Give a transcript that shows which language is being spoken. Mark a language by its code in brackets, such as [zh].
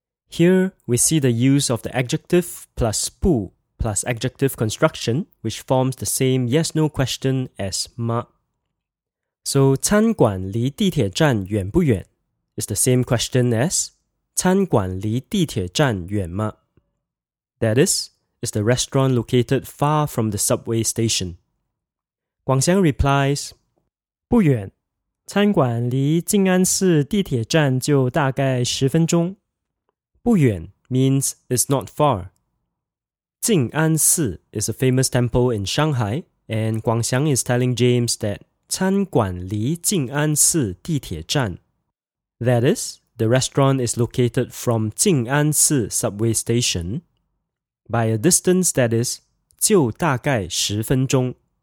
[en] Here we see the use of the adjective plus 不 plus adjective construction, which forms the same yes-no question as 吗. [zh] So, 餐馆离地铁站远不远? [en] Is the same question as [zh] 餐馆离地铁站远吗? [en] That is the restaurant located far from the subway station? Guangxiang replies, [zh] 不远, 餐馆离静安寺地铁站就大概10分钟. [en] 不远 means it's not far. 静安寺 is a famous temple in Shanghai, and Guangxiang is telling James that [zh] 餐馆离静安寺地铁站, [en] that is, the restaurant is located from 静安寺 subway station, by a distance that is [zh] 就大概10分钟.